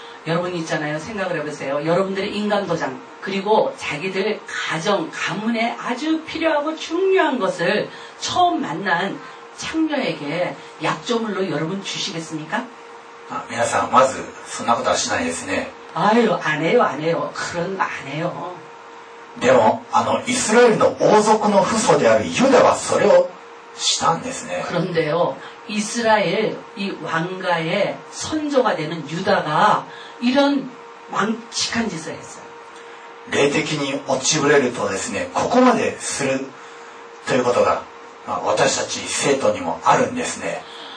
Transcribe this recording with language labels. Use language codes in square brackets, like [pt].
[ko] 여러분있잖아요생각을해보세요여러분들의인간도장그리고자기들가정가문에아주필요하고중요한것을처음만난창녀에게약조물로여러분주시겠습니까 [ja] 아皆さんまずそんなことはしないですね [ko] 아유안해요안해요그런거안해요 [ja] でもあのイスラエルの王族の父祖であるユダはそれをしたんですね [ko] 그런데요이스라엘이왕가의선조가되는유다가이런망칙한짓을했어요 [ja] 霊的に落ちぶれるとですねここまでするということが私たち生徒にもあるんですね